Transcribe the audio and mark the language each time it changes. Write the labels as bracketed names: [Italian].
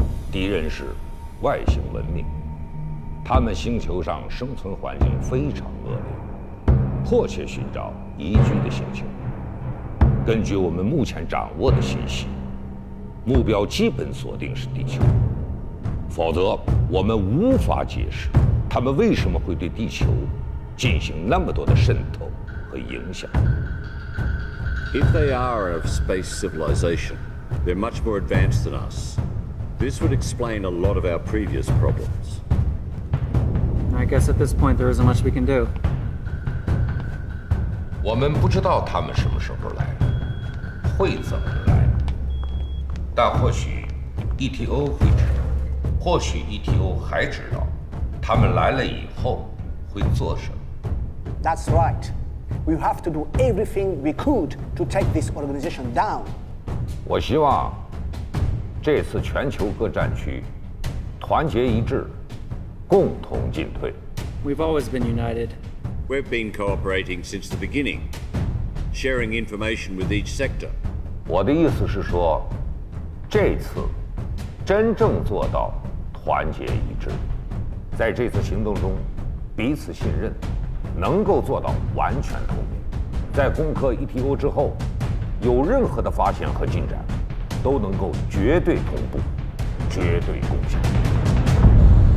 [Chinese] 敌人是外星文明，他们星球上生存环境非常恶劣，迫切寻找宜居的星球。根据我们目前掌握的信息，目标基本锁定是地球，否则我们无法解释他们为什么会对地球进行那么多的渗透和影响。 [English] If they are a space civilization, they're much more advanced than us. This would explain a lot of our previous problems. I guess at this point there isn't much we can do. [Chinese] 我们不知道他们什么时候来，会怎么来。但或许 ETO 会知道，或许 ETO 还知道，他们来了以后会做什么。 [English] That's right. We have to do everything we could to take this organization down. [Chinese] 我希望这次全球各战区团结一致，共同进退。 [English] We've always been united. We've been cooperating since the beginning, sharing information with each sector. [Chinese] 我的意思是说，这次真正做到团结一致，在这次行动中彼此信任。能够做到完全透明，在攻克 ETO 之后，有任何的发现和进展，都能够绝对同步，绝对共享。